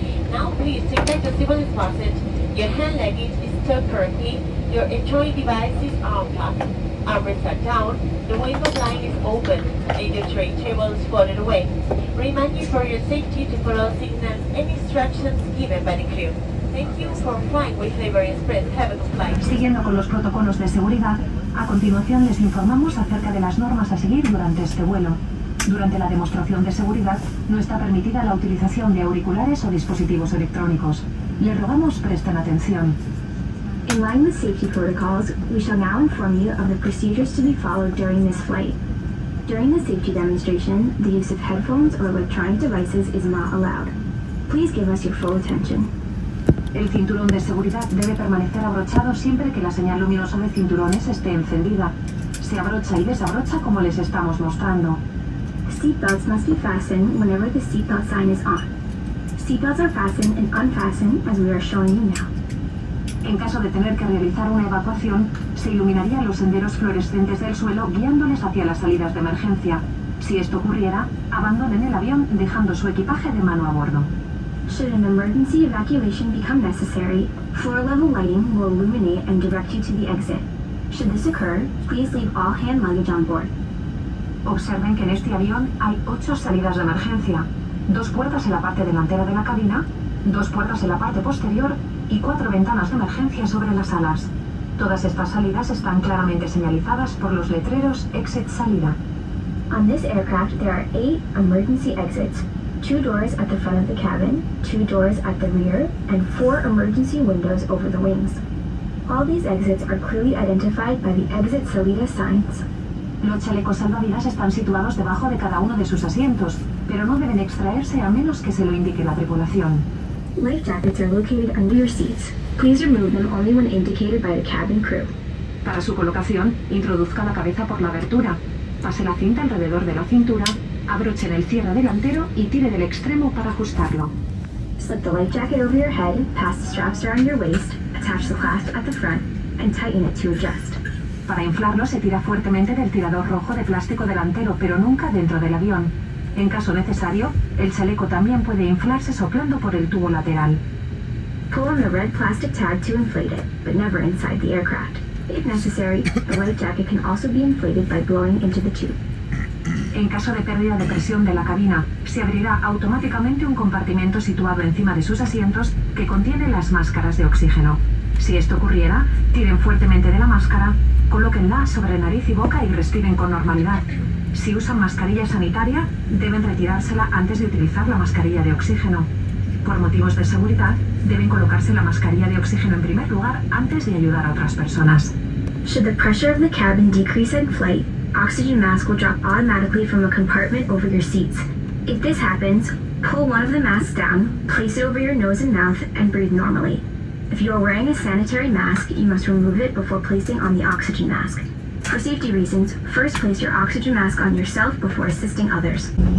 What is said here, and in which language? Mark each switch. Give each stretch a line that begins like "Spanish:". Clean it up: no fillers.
English: Now please take back the seatbelt fastened, your hand luggage is stowed correctly, your electronic device is unplugged. Armrests are down, the window blind is open, and your tray table is folded away. Remind you for your safety to follow signals and instructions given by the crew. Thank you for flying with Iberia Express. Have a good flight.
Spanish: Siguiendo con los protocolos de seguridad, a continuación les informamos acerca de las normas a seguir durante este vuelo. Durante la demostración de seguridad, no está permitida la utilización de auriculares o dispositivos electrónicos. Les rogamos presten atención.
English: In line with safety protocols, we shall now inform you of the procedures to be followed during this flight. During the safety demonstration, the use of headphones or electronic devices is not allowed. Please give us your full attention.
Spanish: El cinturón de seguridad debe permanecer abrochado siempre que la señal luminosa de cinturones esté encendida. Se abrocha y desabrocha como les estamos mostrando.
English: Seatbelts must be fastened whenever the seatbelt sign is on. Seatbelts are fastened and unfastened as we are showing you now.
Spanish: En caso de tener que realizar una evacuación, se iluminarían los senderos fluorescentes del suelo guiándoles hacia las salidas de emergencia. Si esto ocurriera, abandonen el avión dejando su equipaje de mano a bordo.
English: Should an emergency evacuation become necessary, floor level lighting will illuminate and direct you to the exit. Should this occur, please leave all hand luggage on board.
Spanish: Observen que en este avión hay 8 salidas de emergencia, 2 puertas en la parte delantera de la cabina, 2 puertas en la parte posterior y 4 ventanas de emergencia sobre las alas. Todas estas salidas están claramente señalizadas por los letreros Exit Salida.
English: On this aircraft there are 8 emergency exits. 2 doors at the front of the cabin, 2 doors at the rear, and 4 emergency windows over the wings. All these exits are clearly identified by the Exit Salida signs.
Spanish: Los chalecos salvavidas están situados debajo de cada uno de sus asientos, pero no deben extraerse a menos que se lo indique la tripulación.
English: Life jackets are located under your seats. Please remove them only when indicated by the cabin crew.
Spanish: Para su colocación, introduzca la cabeza por la abertura, pase la cinta alrededor de la cintura, abroche el cierre delantero y tire del extremo para ajustarlo.
English: Slip the life jacket over your head, pass the straps around your waist, attach the clasp at the front, and tighten it to adjust.
Spanish: Para inflarlo, se tira fuertemente del tirador rojo de plástico delantero, pero nunca dentro del avión. En caso necesario, el chaleco también puede inflarse soplando por el tubo lateral.
English: Pull on the red plastic tag to inflate it, but never inside the aircraft. If necessary, the life jacket can also be inflated by blowing into the tube.
Spanish: En caso de pérdida de presión de la cabina, se abrirá automáticamente un compartimento situado encima de sus asientos que contiene las máscaras de oxígeno. Si esto ocurriera, tiren fuertemente de la máscara, colóquenla sobre nariz y boca y respiren con normalidad. Si usan mascarilla sanitaria, deben retirársela antes de utilizar la mascarilla de oxígeno. Por motivos de seguridad, deben colocarse la mascarilla de oxígeno en primer lugar antes de ayudar a otras personas.
English: Should the pressure of the cabin decrease in flight, oxygen masks will drop automatically from a compartment over your seats. If this happens, pull one of the masks down, place it over your nose and mouth, and breathe normally. If you are wearing a sanitary mask, you must remove it before placing on the oxygen mask. For safety reasons, first place your oxygen mask on yourself before assisting others.